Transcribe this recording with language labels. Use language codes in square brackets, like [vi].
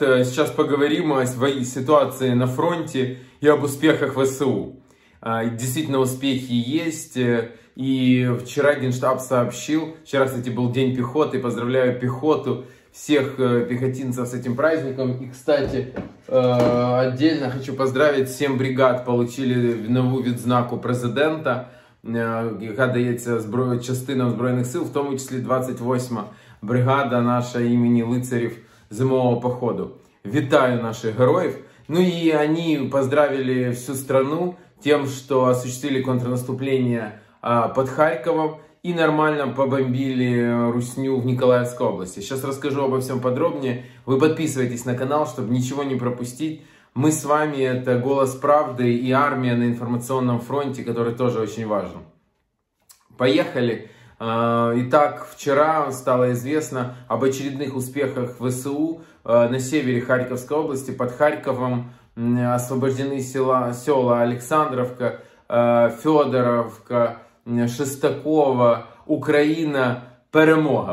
[ru] Сейчас поговорим о своей ситуации на фронте и об успехах ВСУ. Действительно, успехи есть. И вчера Генштаб сообщил, вчера, кстати, был День пехоты, поздравляю пехоту, всех пехотинцев с этим праздником. И, кстати, отдельно хочу поздравить 7 бригад, получили новую [uk] відзнаку президента, яка дається частинам Збройних сил, в тому числі 28-ма бригада наша імені лицарів зимового походу. Вітаю наших героїв. Ну і вони [ru] поздравили всю страну [uk] тим, що осуществили контрнаступлення під Харковом і нормально побомбили Русню в Ніколаївській області. Зараз розкажу обо всьому подробні. Ви підписуйтесь на канал, щоб нічого не пропустити. [ru] Мы с вами, это «Голос правды» и «Армия на информационном фронте», который тоже очень важен. Поехали. Итак, вчера стало известно об очередных успехах ВСУ на севере Харьковской области. Под Харьковом освобождены села Александровка, Федоровка, Шестакова, Украина, Перемога.